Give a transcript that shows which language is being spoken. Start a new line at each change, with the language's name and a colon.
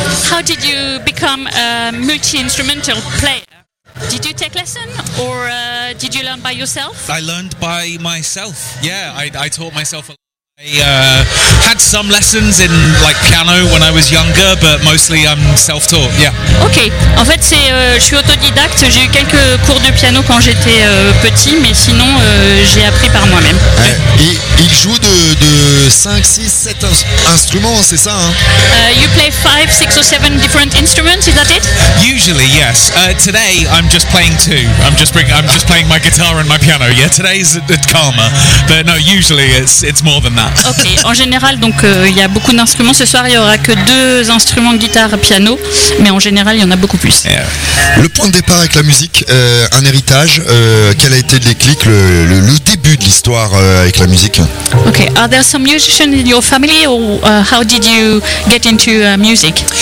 English: How did you become a multi-instrumental player? Did you take lesson or did you learn by yourself? I learned by myself. Yeah, I taught myself. I had some lessons in like piano when I was younger, but mostly I'm self-taught. Yeah.
French: Okay. En fait, c'est je suis autodidacte. J'ai eu quelques cours de piano quand j'étais petit, mais sinon j'ai appris par moi-même. Et il joue de 5, 6, 7 instruments, c'est ça, hein?
English: You play 5, 6 or 7 different instruments, is that it? Usually, yes. Today I'm just playing 2. I'm just playing my guitar and my piano. Yeah, today's at Karma. But no, usually it's more than that. Okay.
French: En général, donc il y a beaucoup d'instruments. Ce soir, il y aura que 2 instruments de guitare et piano, mais en général, il y en a beaucoup plus.
English: Yeah.
French: Le point de départ avec la musique, un héritage, quel a été le déclic, le début de l'histoire avec la musique?
English: Okay, are there some musicians in your family, or how did you get into music?